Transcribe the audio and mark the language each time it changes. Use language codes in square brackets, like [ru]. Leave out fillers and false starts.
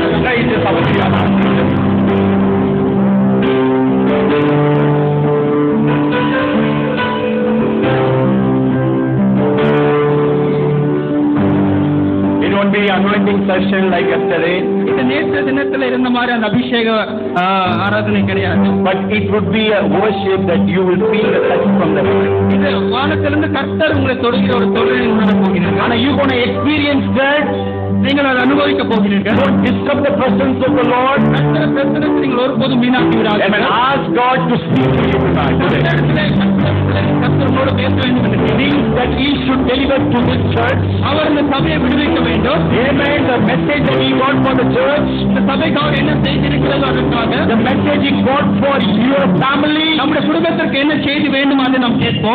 [en] It won't be anointing session like yesterday. [ta] நேற்று தினத்தில் இருந்த மாதிரி அந்த அபிஷேக ஆராதனை கிடையாது. [en] But it would be a worship that you will feel the touch from the Lord. [ta] இது வானத்திலிருந்து கர்த்தர் உங்களை தொடுகிற ஒரு தொழில் உணர போகிறீர்கள். [en] ஆனா you gonna experience that. [ta] நீங்கள் அதை அனுபவிக்க போகிறீர்கள். [en] Don't disturb the presence of the Lord. [ta] கர்த்தர் பிரசன்னத்தை நீங்கள் ஒருபோதும் வீணாக்கி விடாதீர்கள். [en] And ask God to speak to you tonight. That he should deliver to this church. [ta] அவர் இந்த சபையை விடுவிக்க வேண்டும். [en] Amen. The message that he got for the church. [ta] இந்த சபைக்காக என்ன செய்திருக்கிறதோ [en] the message he got for your family. [ta] நம்முடைய குடும்பத்திற்கு என்ன செய்தி வேண்டும் அதை நாம் கேட்போம்.